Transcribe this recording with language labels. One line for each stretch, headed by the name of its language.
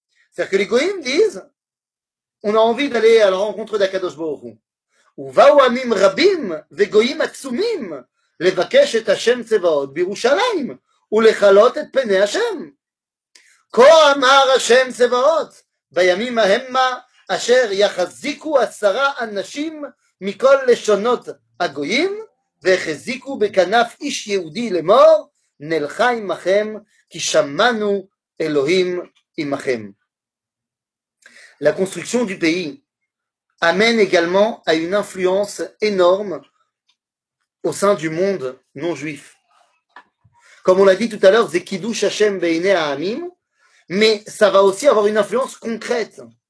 French: C'est-à-dire que les goyim disent, on a envie d'aller à la rencontre d'Akadosh Baruch Hu.
Hebrew: U vaou amim rabim ve goyim atsumim. לבקש את השם צבאות בירושלים ולחלות את פני השם. כה אמר השם צבאות בימים ההמה אשר יחזיקו 10 אנשים מכל לשונות הגויים והחזיקו בכנף איש יהודי למור נלכה עמכם כי שמענו אלוהים עמכם.
French: La construction du pays amène également à une influence énorme au sein du monde non-juif. Comme on l'a dit tout à l'heure,
Hebrew: Zekidush Hashem Beinei Ha'amim,
French: mais ça va aussi avoir une influence concrète.